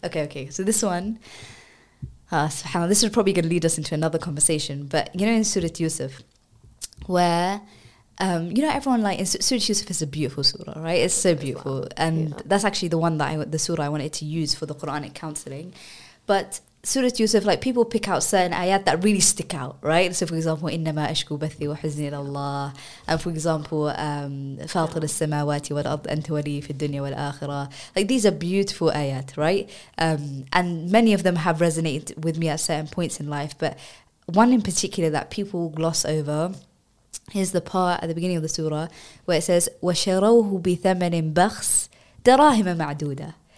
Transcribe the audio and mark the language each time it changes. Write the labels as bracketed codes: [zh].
[en] Okay, so this one, subhanAllah, this is probably going to lead us into another conversation, but, you know, in Surah Yusuf, where, you know, everyone, like, Surah Yusuf is a beautiful surah, right? It's so beautiful. And that's actually the one that the surah I wanted to use for the Quranic counseling. But Surah Yusuf, like, people pick out certain ayat that really stick out, right? So, for example, [ar] إِنَّمَا أَشْكُو بَثِّي وَحُزْنِي إِلَى اللَّهِ. And, for example, فَاطِرَ السَّمَاوَاتِ وَالْأَرْضِ أَنْتَ وَلِيِّي فِي الدُّنْيَا وَالْآخِرَةِ. [en] Like, these are beautiful ayat, right? And many of them have resonated with me at certain points in life. But one in particular that people gloss over, here's the part at the beginning of the surah where it says, [ar] وَشَرَوْهُ بِثَمَنٍ بَخْسْ دَرَاهِمَ مَعْدُودَ.